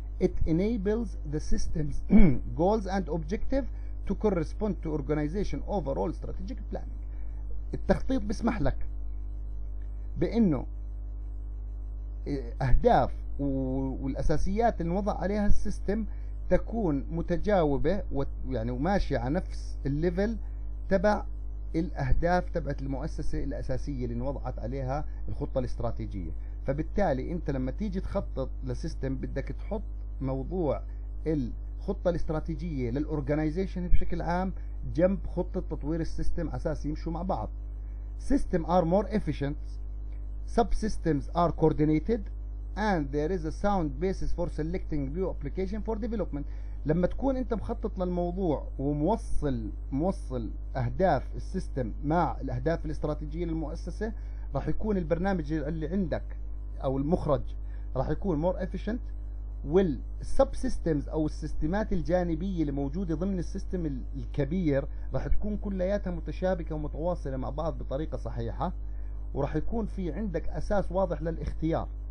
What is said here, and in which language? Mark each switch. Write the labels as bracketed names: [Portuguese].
[English] It enables the system's goals and objective to correspond to organization overall strategic planning. [Arabic] التخطيط بيسمح لك بأنه أهداف والأساسيات اللي وضع عليها السيستم تكون متجاوبة ويعني وماشية على نفس الليفل تبع الأهداف تبعت المؤسسة الأساسية اللي وضعت عليها الخطة الاستراتيجية. فبالتالي أنت لما تيجي تخطط لسيستم بدك تحط موضوع الخطة الاستراتيجية للأورجانيزيشن بشكل عام جنب خطة تطوير السيستم أساس يمشوا مع بعض. [English] System are more efficient, subsystems are coordinated, and there is a sound basis for selecting new application for development. [Arabic] لما تكون انت مخطط للموضوع وموصل اهداف السيستم مع الاهداف الاستراتيجية للمؤسسة، راح يكون البرنامج اللي عندك او المخرج راح يكون more efficient، والسب سيستمز او السيستمات الجانبية اللي موجودة ضمن السيستم الكبير راح تكون كلياتها متشابكة ومتواصلة مع بعض بطريقة صحيحة، وراح يكون في عندك اساس واضح للاختيار.